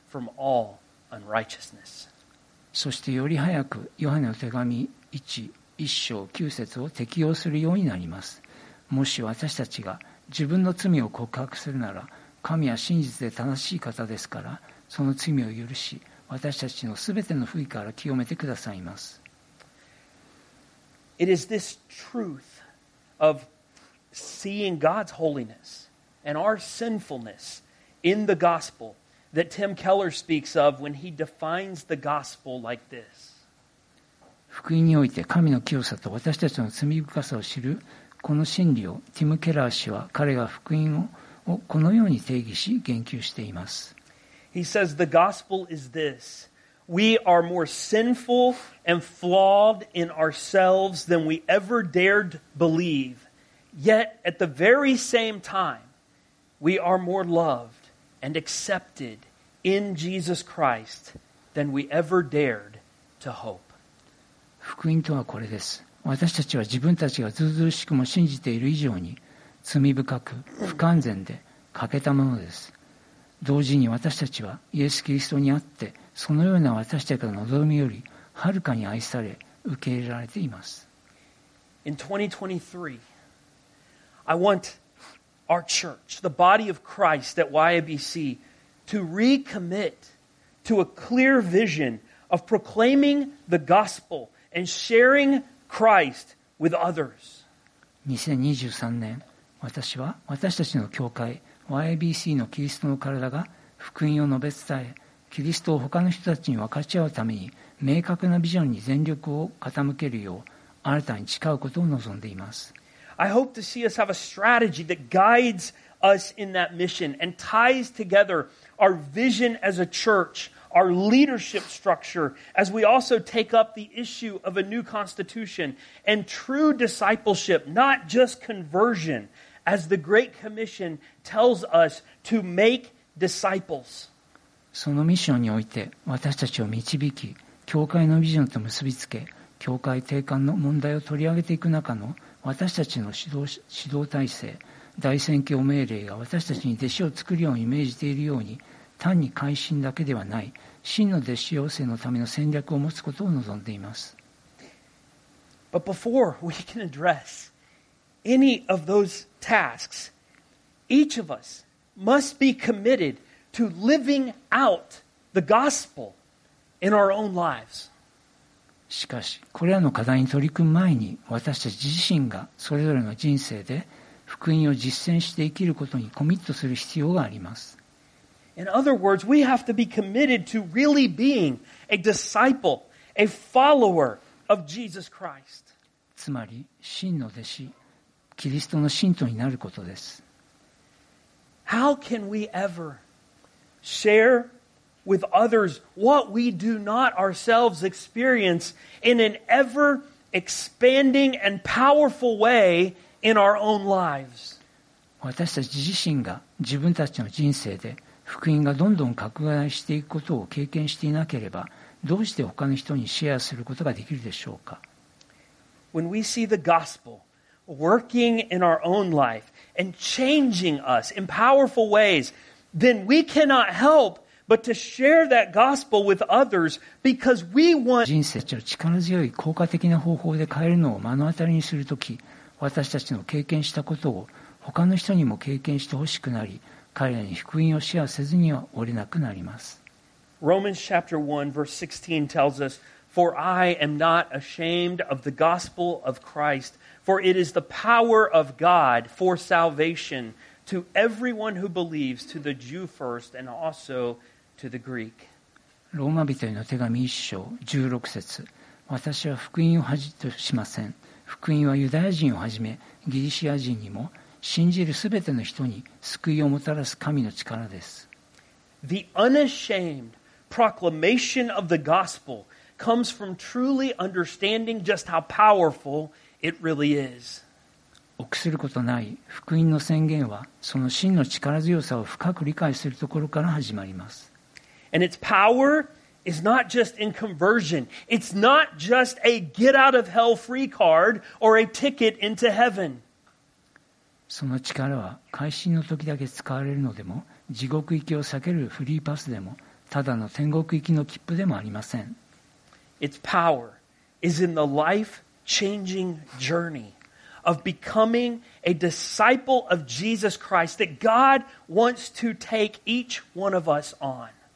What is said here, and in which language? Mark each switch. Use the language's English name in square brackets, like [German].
[English] From all unrighteousness. [Japanese] そしてより早くヨハネの手紙1:9を適用するようになります。もし私たちが自分の罪を告白するなら、神は真実で正しい方ですから、その罪を許し、私たちのすべての不義から清めてくださいます。 [English] It is this truth of seeing God's holiness and our sinfulness in the gospelThat Tim Keller speaks of when he defines the gospel like this. [Japanese] 福音において神の清さと私たちの罪深さを知るこの真理を、ティム・ケラー氏は彼が福音をこのように定義し言及しています。 [English] He says the gospel is this: we are more sinful and flawed in ourselves than we ever dared believe. Yet at the very same time, we are more loved. And accepted in Jesus Christ than we ever dared to hope. [Japanese] 福音とはこれです。私たちは自分たちがずうずうしくも信じている以上に罪深く不完全で欠けたものです。同時に私たちはイエス・キリストにあってそのような私たちからの望みよりはるかに愛され受け入れられています。 [English] In 2023 I want our church, the body of Christ at YABC, to recommit to a clear vision of proclaiming the gospel and sharing Christ with others. [Japanese] 2023年、私は私たちの教会 YABC のキリストの体が福音を述べ伝え、キリストを他の人たちに分かち合うために明確なビジョンに全力を傾けるよう新たに誓うことを望んでいます。 [English] I hope to see us have a strategy that guides us in that mission and ties together our vision as a church, our leadership structure, as we also take up the issue of a new constitution and true discipleship, not just conversion, as the Great Commission tells us to make disciples. [Japanese] そのミッションにおいて私たちを導き、教会のビジョンと結びつけ、教会定款の問題を取り上げていく中の私たちの指導体制、大宣教命令が私たちに弟子を作るようにイメージしているように、単に改心だけではない、真の弟子養成のための戦略を持つことを望んでいます。 [English] But before we can address any of those tasks, each of us must be committed to living out the gospel in our own lives. [Japanese] しかし、これらの課題に取り組む前に、私たち自身がそれぞれの人生で福音を実践して生きることにコミットする必要があります。 [English] In other words, we have to be committed to really being a disciple, a follower of Jesus Christ. [Japanese] つまり、真の弟子、キリストの信徒になることです。 [English] How can we ever share? With others, what we do not ourselves experience in an ever expanding and powerful way in our own lives. [Japanese] 私たち自身が自分たちの人生で福音がどんどん拡大していくことを経験していなければ、どうして他の人にシェアすることができるでしょうか? [English] When we see the gospel working in our own life and changing us in powerful ways, then we cannot help. But to share that gospel with others because we want [Japanese] 人生を力強い効果的な方法で変えるのを目の当たりにするとき、私たちの経験したことを他の人にも経験してほしくなり、彼らに福音をシェアせずにはおれなくなります。 [English] Romans chapter 1 verse 16 tells us, For I am not ashamed of the gospel of Christ, for it is the power of God for salvation. To everyone who believes, to the Jew first and also to the Greek. [Japanese] ローマ人への手紙1章16節。私は福音を恥としません。福音はユダヤ人をはじめギリシア人にも信じるすべての人に救いをもたらす神の力です。 [English] The unashamed proclamation of the gospel comes from truly understanding just how powerful it really is. [Japanese] 臆することない福音の宣言はその真の力強さを深く理解するところから始まります。 [English] And its power is not just in conversion. It's not just a get out of hell free card or a ticket into heaven. [Japanese] その力は改心の時だけ使われるのでも、地獄行きを避けるフリーパスでも、ただの天国行きの切符でもありません。 [English] Its power is in the life changing journeyOf becoming a disciple of Jesus Christ that God wants to take each one of us on.